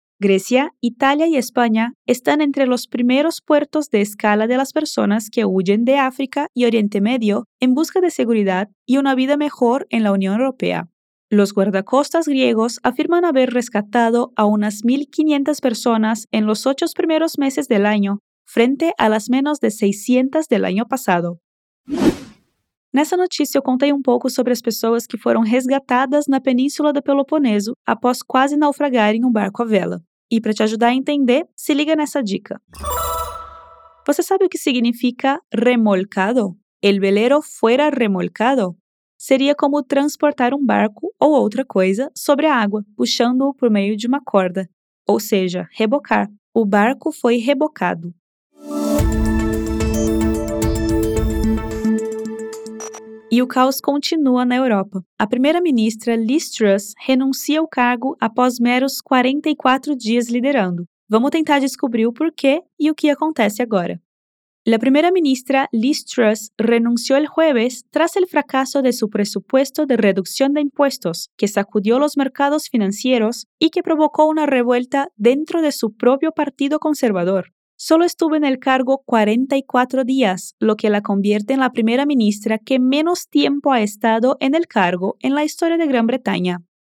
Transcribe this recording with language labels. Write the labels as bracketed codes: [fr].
[es] Grecia, Italia y España están entre los primeros puertos de escala de las personas que huyen de África y Oriente Medio en busca de seguridad y una vida mejor en la Unión Europea. Los guardacostas griegos afirman haber rescatado a unas 1.500 personas en los 8 primeros meses del año, frente a las menos de 600 del año pasado. [pt] Nessa notícia, eu contei um pouco sobre as pessoas que foram resgatadas na Península do Peloponeso após quase naufragarem um barco à vela. E para te ajudar a entender, se liga nessa dica. Você sabe o que significa remolcado? [es] El velero fuera remolcado? [pt] Seria como transportar um barco ou outra coisa sobre a água, puxando-o por meio de uma corda. Ou seja, rebocar. O barco foi rebocado. E o caos continua na Europa. A primeira-ministra, Liz Truss, renuncia ao cargo após meros 44 dias liderando. Vamos tentar descobrir o porquê e o que acontece agora. A primeira-ministra, Liz Truss, renunciou [es] el jueves tras el fracaso de su presupuesto de reducción de impuestos, que sacudió los mercados financieros y que provocó una revuelta dentro de su propio partido conservador. Solo estuvo en el cargo 44 días, lo que la convierte en la primera ministra que menos tiempo ha estado en el cargo en la historia de Gran Bretaña.